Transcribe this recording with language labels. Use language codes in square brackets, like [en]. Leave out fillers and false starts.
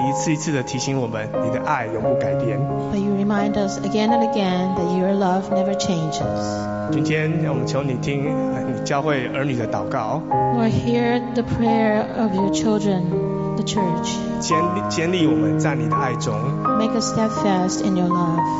[zh] 一次的提醒我们，你的爱永不改变。 [en] But you remind us again and again that your love never changes. [zh] 今天我们求你听你教会儿女的祷告。 [en] Lord, hear the prayer of your children, the church. [zh] 坚立我们在你的爱中。 [en] Make us steadfast in your love.